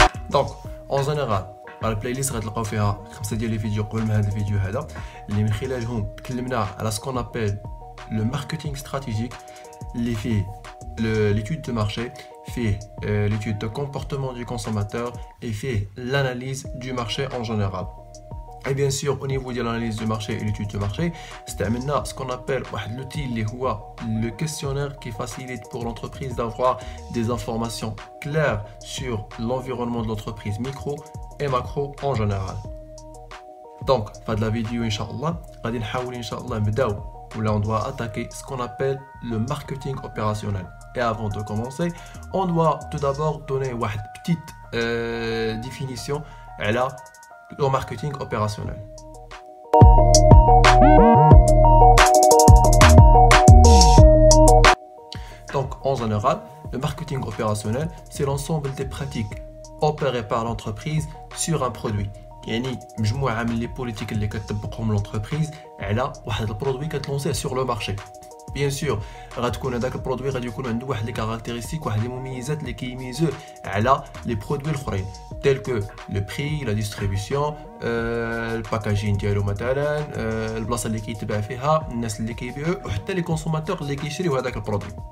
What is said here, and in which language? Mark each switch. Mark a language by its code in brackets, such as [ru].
[ar] دونك اون جينيرال على البلاي ليست غتلقاو فيها خمسه ديال الفيديو قبل من هذا الفيديو هذا، اللي من خلالهم تكلمنا على سكون ابل لو ماركتينغ استراتيجيك، اللي فيه [fr] l'étude de marché, fait l'étude de comportement du consommateur et fait l'analyse du marché en général. Et bien sûr, au niveau de l'analyse du marché et l'étude de marché, c'est maintenant ce qu'on appelle l'outil, le questionnaire qui facilite pour l'entreprise d'avoir des informations claires sur l'environnement de l'entreprise micro et macro en général. Donc, fin de la vidéo, Inch'Allah, on va essayer où là on doit attaquer ce qu'on appelle le marketing opérationnel. Et avant de commencer, on doit tout d'abord donner une petite définition à le marketing opérationnel. Donc en général, le marketing opérationnel, c'est l'ensemble des pratiques opérées par l'entreprise sur un produit. [ar] يعني مجموعة من لي بوليتيك اللي كتطبقهم لونتربريز على واحد البرودوي كتلونسيه سور لو مارشي. بيان سور غتكون هذاك البرودوي غادي يكون عنده واحد لي كاركتيرستيك، واحد لي مميزات اللي كيميزو على لي برودوي الاخرين، تيل كو لو بري، لا ديستريبيسيون، الباكاجين ديالو مثلا، البلاصه اللي كيتباع فيها، الناس اللي كيبيعوا، وحتى لي كونسوماتور اللي كيشريو هذاك البرودوي.